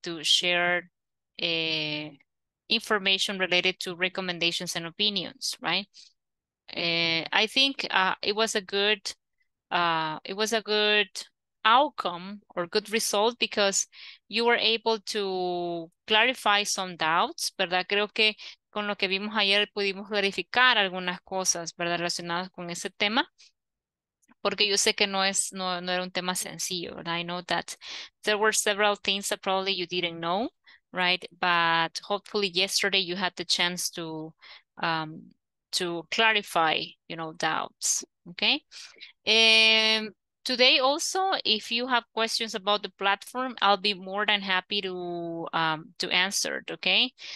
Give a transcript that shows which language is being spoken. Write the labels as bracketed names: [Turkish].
[English] To share information related to recommendations and opinions, right? I think it was a good outcome or good result because you were able to clarify some doubts, ¿verdad? [Spanish] Creo que con lo que vimos ayer pudimos clarificar algunas cosas, ¿verdad? Relacionadas con ese tema, porque yo sé que no era un tema sencillo, ¿verdad? [English] I know that there were several things that probably you didn't know, right? But hopefully yesterday you had the chance to clarify, you know, doubts, okay? Today also, if you have questions about the platform, I'll be more than happy to answer it, okay?